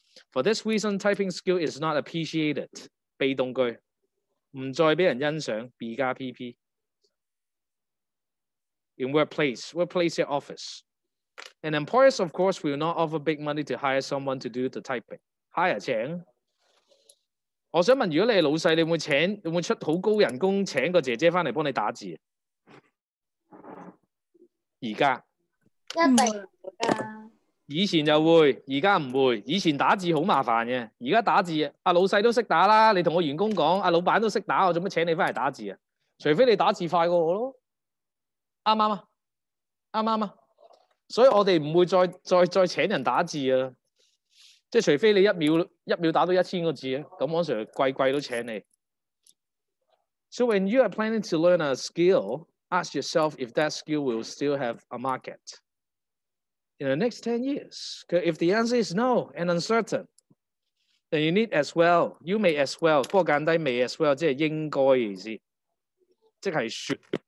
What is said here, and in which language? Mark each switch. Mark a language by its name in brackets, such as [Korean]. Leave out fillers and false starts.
[English] For this reason, typing skill is not appreciated. [Cantonese] 被動句唔再俾人欣賞 ，B 加 PP。 [English] In workplace [Cantonese] 即係 [English] office. And employers, of course, will not offer big money to hire someone to do the typing. Hire [Cantonese] 請。我想问，如果你系老细，你会请，你会出好高人工请个姐姐翻嚟帮你打字？而家一定唔会噶。以前就会，而家唔会。以前打字好麻烦嘅，而家打字啊，老细都识打啦。你同个员工讲，啊老板都识打，我做乜请你翻嚟打字啊？除非你打字快过我咯，啱唔啱啊？啱唔啱啊？所以我哋唔会再请人打字啊。即係除非你一秒打到1000個字啊，咁往常貴貴都請你。 [English] So when you are planning to learn a skill, ask yourself if that skill will still have a market in the next 10 years. If the answer is no and uncertain, then you need as well. You may as well. [Cantonese] 不過簡單 [English] may as well [Cantonese] 即係應該意思，即係 [English] should。